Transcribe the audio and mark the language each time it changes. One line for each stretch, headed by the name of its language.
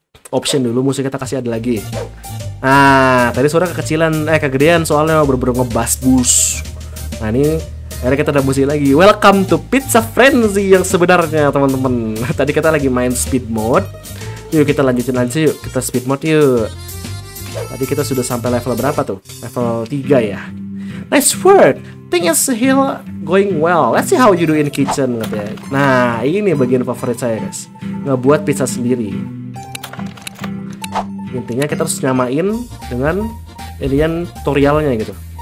Indonesian: Option dulu, musik kita kasih ada lagi. Nah, tadi suara kekecilan, kegedean soalnya bener-bener ngebass bus. Nah ini, akhirnya kita ada musik lagi.
English: Welcome to Pizza Frenzy
Indonesian: yang sebenarnya teman-teman. Tadi kita lagi main speed mode. Yuk kita lanjutin aja yuk, kita speed mode yuk. Tadi kita sudah sampai level berapa tuh? Level 3 ya.
English: Nice work, thing is still going well. Let's see how you do in kitchen katanya.
Indonesian: Nah ini bagian favorit saya guys, ngebuat pizza sendiri. Intinya kita harus nyamain dengan alien tutorialnya gitu.